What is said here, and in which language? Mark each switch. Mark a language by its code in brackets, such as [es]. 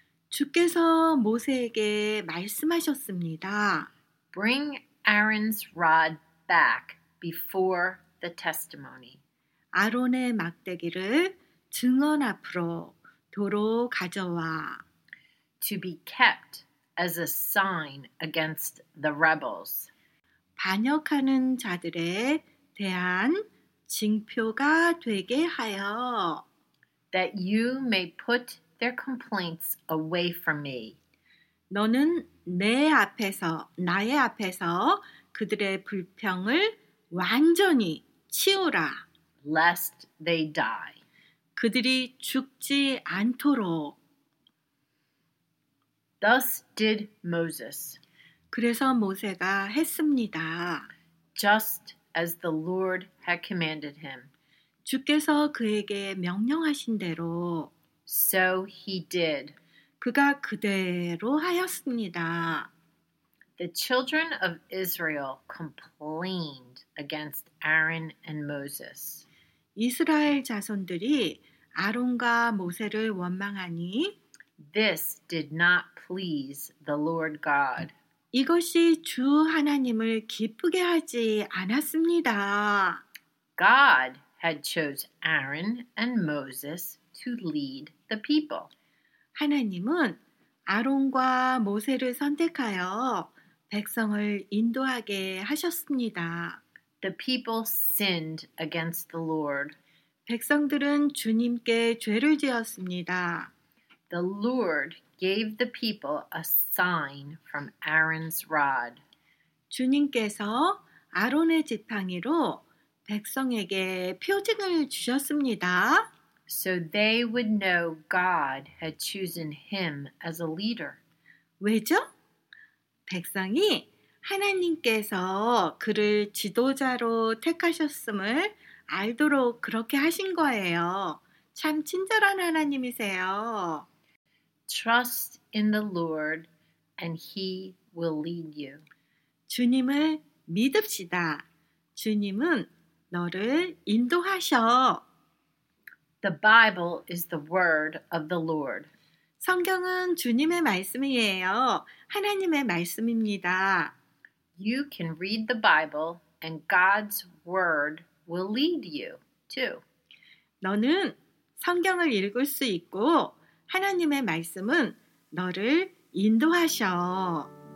[ko] 주께서 모세에게 말씀하셨습니다. [en] Bring Aaron's rod back before the testimony. [ko] 아론의 막대기를 증언 앞으로 도로 가져와. [en] To be kept as a sign against the rebels. [ko] 반역하는 자들에 대한 징표가 되게 하여. [en] That you may put their complaints away from me. [ko] 너는 내 앞에서, 나의 앞에서 그들의 불평을 완전히 치우라. [en] Lest they die. [ko] 그들이 죽지 않도록. [en] Thus did Moses. [ko] 그래서 모세가 했습니다. [en] Just as the Lord had commanded him. [ko] 주께서 그에게 명령하신 대로 [en] So he did. [ko] 그가 그대로 하였습니다. [en] The children of Israel complained against Aaron and Moses. [ko] 이스라엘 자손들이 아론과 모세를 원망하니 [en] This did not please the Lord God. [ko] 이것이 주 하나님을 기쁘게 하지 않았습니다. [en] God had chose Aaron and Moses to lead the people. [ko] 하나님은 아론과 모세를 선택하여 백성을 인도하게 하셨습니다. [en] The people sinned against the Lord. [ko] 백성들은 주님께 죄를 지었습니다. [en] The Lord gave the people a sign from Aaron's rod. [ko] 주님께서 아론의 지팡이로 백성에게 표징을 주셨습니다. [en] So they would know God had chosen him as a leader. [ko] 왜죠? 백성이 하나님께서 그를 지도자로 택하셨음을 알도록 그렇게 하신 거예요. 참 친절한 하나님이세요. [en] Trust in the Lord and he will lead you. [ko] 주님을 믿읍시다. 주님은 너를 인도하셔. [en] The Bible is the word of the Lord. [ko] 성경은 주님의 말씀이에요. 하나님의 말씀입니다. [en] You can read the Bible and God's word will lead you too. [ko] 너는 성경을 읽을 수 있고 하나님의 말씀은 너를 인도하셔.